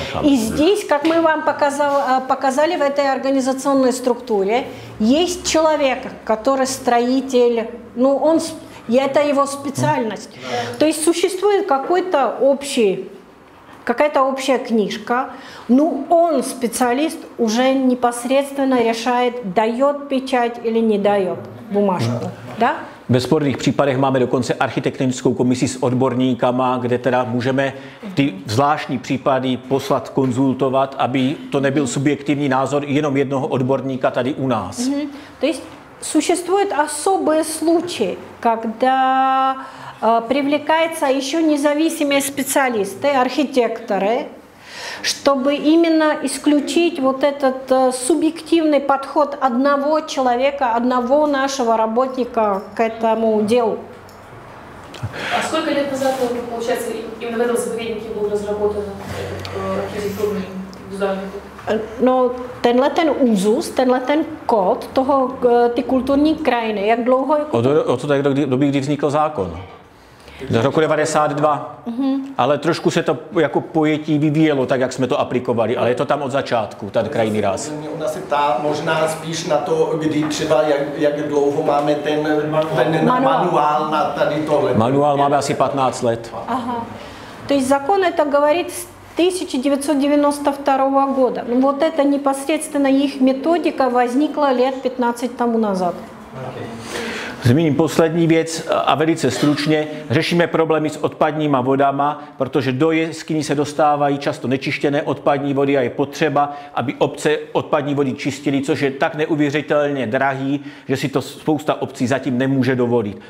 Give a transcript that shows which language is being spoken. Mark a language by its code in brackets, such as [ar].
[ru] И здесь, как мы вам показали в этой организационной структуре, есть человек, который строитель, ну он и это его специальность. То есть существует какая-то общая книжка, но он, специалист, уже непосредственно решает, дает печать или не дает бумажку. Да? [cs] Ve sporných případech máme dokonce architektonickou komisi s odborníkama, kde teda můžeme ty zvláštní případy poslat, konzultovat, aby to nebyl subjektivní názor jenom jednoho odborníka tady u nás. To je, [ru] существует особые случаи, когда привлекаются еще независимые специалисты, архитекторы, чтобы именно исключить вот этот субъективный подход одного человека, одного нашего работника к этому делу. А сколько лет назад, получается, именно в этом заповеднике был разработан архитектурный дизайн? [cs] No, tenhle ten úzus, tenhle ten kód toho, ty kulturní krajiny, jak dlouho... Jako... Od toho, do doby, kdy vznikl zákon. Do roku 92. Ale trošku se to jako pojetí vyvíjelo tak, jak jsme to aplikovali, ale je to tam od začátku, ten krajinný ráz. Ona se ptá možná spíš na to, kdy třeba, jak dlouho máme ten manuál na tady tohle. Manuál máme asi 15 let. Aha. To je zákon, je to govorit 1992 [ru] года. Ну, вот это непосредственно их методика возникла лет 15 тому назад. [cs] Zmíním poslední věc a velice stručně. Řešíme problémy s odpadníma vodama, protože do jeskyní se dostávají často nečištěné odpadní vody a je potřeba, aby obce odpadní vody čistily, což je tak neuvěřitelně drahý, že si to spousta obcí zatím nemůže dovolit.